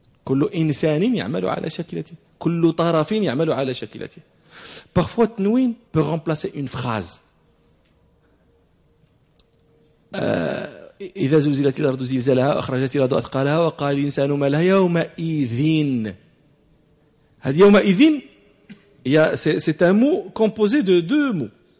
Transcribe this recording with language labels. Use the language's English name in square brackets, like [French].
[Arabic] كل إنسان يعمل على شكلته، كل طرف يعمل على شكلته. [French] Parfois تنوين peut remplacer une phrase. [Arabic] إذا زلزلت الأرض زلزالها أخرجت الأرض أثقالها وقال الإنسان ما لها يومئذ. هذا يومئذ يا [French] c'est un mot composé de deux mots.